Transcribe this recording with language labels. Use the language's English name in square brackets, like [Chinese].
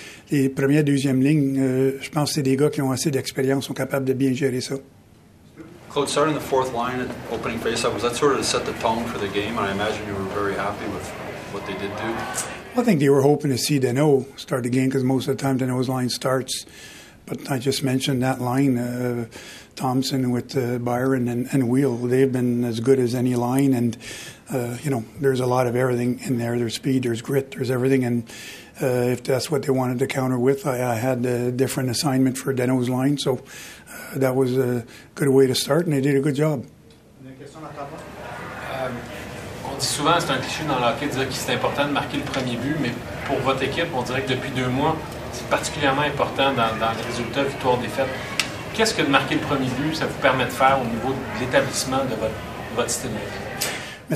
[French] Les premières, deuxièmes lignes, je pense que c'est des gars qui ont assez d'expérience, sont capables de bien gérer ça. [English] Coach, starting the fourth line at opening faceoff, was that sort of to set the tone for the game? And I imagine you were very happy with what they did do. Well, I think they were hoping to see Dano start the game, because most of the time Dano's line starts. But I just mentioned that line, Thompson with Byron and Wheel. They've been as good as any line. And, you know, there's a lot of everything in there. There's speed, there's grit, there's everything. And if that's what they wanted to counter with, I had a different assignment for Dano's line. So that was a good way to start, and they did a good job. [French] On dit souvent, c'est un cliché dans le hockey, de dire que c'est important de marquer le premier but, mais pour votre équipe, on dirait que depuis deux mois, c'est particulièrement important dans le résultat, victoire, défaite. Qu'est-ce que de marquer le premier but, ça vous permet de faire au niveau de l'établissement de votre style de vie?